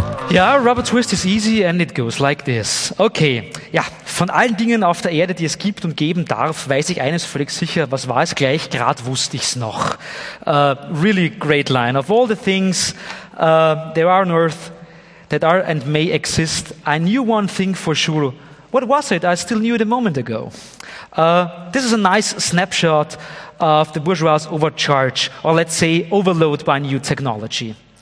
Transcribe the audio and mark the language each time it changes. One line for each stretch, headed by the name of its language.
English: Ja, Rubber Twist is easy and it goes like this.
German: Okay, ja, von allen Dingen auf der Erde, die es gibt und geben darf, weiß ich eines völlig sicher, was war es gleich, gerade wusste ich es noch.
English: Really great line. Of all the things there are on earth that are and may exist, I knew one thing for sure. What was it? I still knew it a moment ago. This is a nice snapshot of the bourgeois overcharge, or let's say overload by new technology.